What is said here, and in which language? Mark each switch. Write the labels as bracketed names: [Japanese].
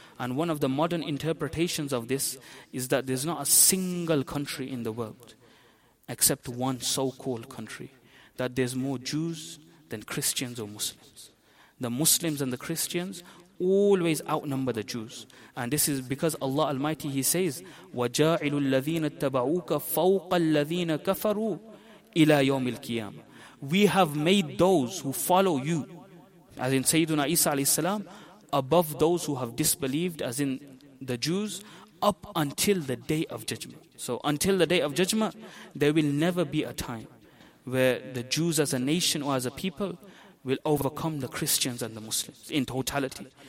[English] And one of the modern interpretations of this is that there's not a single country in the world, except one so-called country, that there's more Jews than Christians or Muslims. The Muslims and the Christians always outnumber the Jews. And this is because Allah Almighty, He says, [Arabic] وَجَاعِلُ الَّذِينَ اتَّبَعُوكَ فَوْقَ الَّذِينَ كَفَرُوا إِلَى يَوْمِ الْقِيَامَةِ. [English] We have made those who follow you, as in Sayyiduna Isa alayhi salam, above those who have disbelieved, as in the Jews, up until the day of judgment. So until the day of judgment, there will never be a time where the Jews as a nation or as a people will overcome the Christians and the Muslims in totality.